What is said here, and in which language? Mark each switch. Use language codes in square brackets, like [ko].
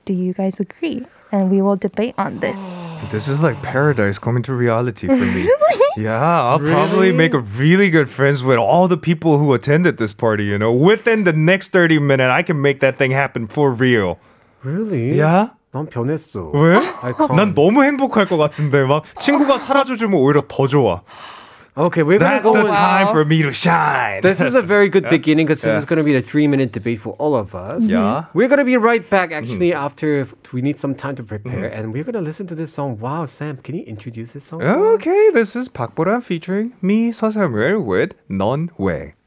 [en] Do you guys agree? And we will debate on this. This is like paradise coming to reality for me. Really? Yeah, I'll probably make a really good friends with all the people who attended this party, you know. Within the next 30 minutes, I can make that thing happen for real. Really? Yeah. [ko] 난 변했어. 왜? 난 너무 행복할 것 같은데 막 친구가 사라져주면 오히려 더 좋아. [en] Okay, we're going to go with... That's the time for me to shine. This is a very good beginning because this is going to be a 3-minute debate for all of us. Yeah. We're going to be right back actually after if we need some time to prepare. And we're going to listen to this song. Wow, Sam, can you introduce this song? Okay, this is Park Boran featuring me, Seosamuel, with Nan Wei.